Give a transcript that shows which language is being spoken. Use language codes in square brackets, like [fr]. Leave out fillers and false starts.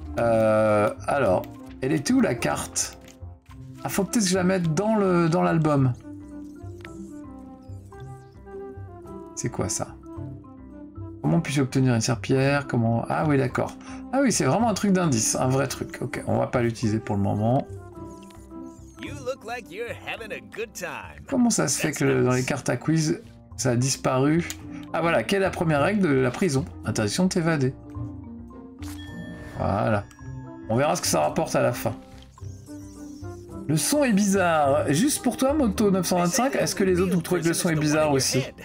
[fr] Alors, elle est où la carte? Ah, faut peut-être que je la mette dans le dans l'album. C'est quoi ça? Comment puis-je obtenir une serpillère? Comment... Ah oui, d'accord. Ah oui, c'est vraiment un truc d'indice, un vrai truc. Ok, on va pas l'utiliser pour le moment. [en] You look like you're having a good time. [fr] Comment ça se fait que dans les cartes à quiz, ça a disparu? Ah voilà, quelle est la première règle de la prison? Interdiction de t'évader. Voilà. On verra ce que ça rapporte à la fin. Le son est bizarre. Juste pour toi, Moto 925, est-ce que les autres vous trouvez que le son est bizarre aussi?